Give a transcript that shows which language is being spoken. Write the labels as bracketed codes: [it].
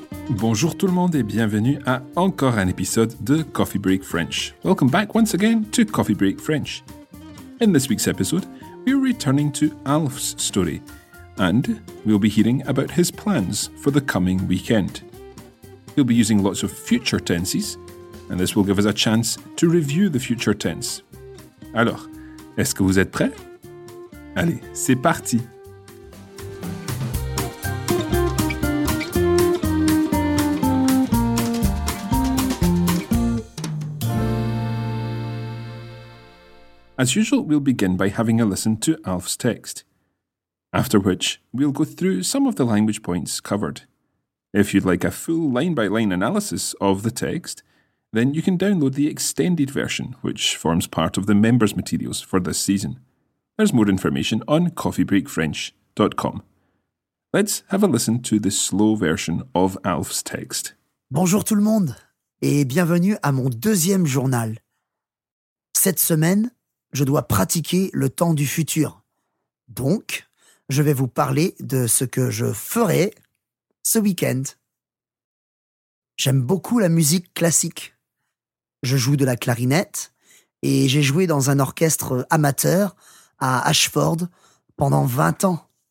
[fr] Bonjour tout le monde et bienvenue à encore un épisode de Coffee Break French. [en] Welcome back once again to Coffee Break French. In this week's episode, we're returning to Alf's story, and we'll be hearing about his plans for the coming weekend. He'll be using lots of future tenses, and this will give us a chance to review the future tense. [fr] Alors, est-ce que vous êtes prêts? Allez, c'est parti! [en] As usual, we'll begin by having a listen to Alf's text, after which we'll go through some of the language points covered. If you'd like a full line-by-line analysis of the text, then you can download the extended version, which forms part of the members' materials for this season. There's more information on coffeebreakfrench.com. Let's have a listen to the slow version of Alf's text. [fr] Bonjour tout le monde, et bienvenue à mon deuxième journal. Cette semaine, je dois pratiquer le temps du futur. Donc, je vais vous parler de ce que je ferai ce week-end. J'aime beaucoup la musique classique. Je joue de la clarinette et j'ai joué dans un orchestre amateur à Ashford pendant 20 ans.